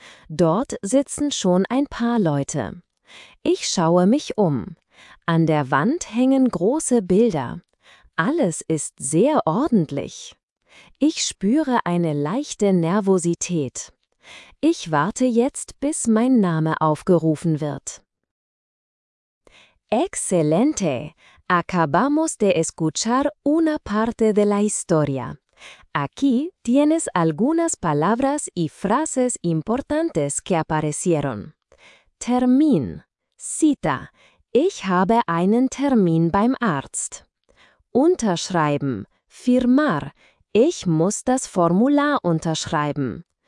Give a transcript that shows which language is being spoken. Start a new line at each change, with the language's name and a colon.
German: Dort sitzen schon ein paar Leute. Ich schaue mich um. An der Wand hängen große Bilder. Alles ist sehr ordentlich. Ich spüre eine leichte Nervosität. Ich warte jetzt, bis mein Name aufgerufen wird.
Spanish: Excelente! Acabamos de escuchar una parte de la historia. Aquí tienes algunas palabras y frases importantes que aparecieron.
German: Termin.
Spanish: Cita.
German: Ich habe einen Termin beim Arzt. Unterschreiben.
Spanish: Firmar.
German: Ich muss das Formular unterschreiben.